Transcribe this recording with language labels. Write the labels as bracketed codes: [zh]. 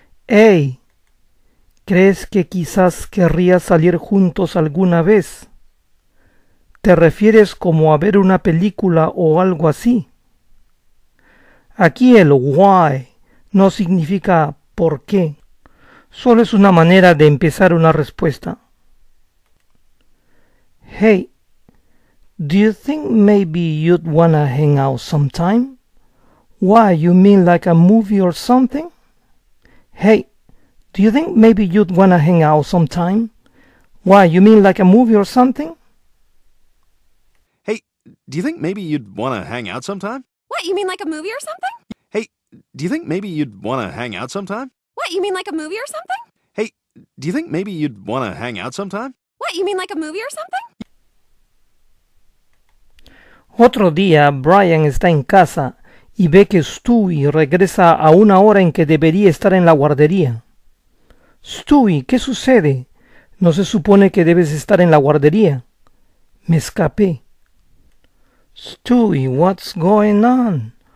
[es] «Hey, ¿crees que quizás querrías salir juntos alguna vez? ¿Te refieres como a ver una película o algo así?» Aquí el why no significa por qué, solo es una manera de empezar una respuesta. [en] «Hey, do you think maybe you'd wanna hang out sometime? Why, you mean like a movie or something? Hey, do you think maybe you'd wanna hang out sometime? Why, you mean like a movie or something? Hey, do you think maybe you'd wanna hang out sometime? What, you mean like a movie or something? Hey, do you think maybe you'd wanna hang out sometime? What, you mean like a movie or something? Hey, do you think maybe you'd wanna hang out sometime? What, you mean like a movie or something? [es] Otro día, Brian está en casa y ve que Stewie regresa a una hora en que debería estar en la guardería. Stewie, ¿qué sucede? No se supone que debes estar en la guardería. Me escapé. [en] Stewie, what's going on?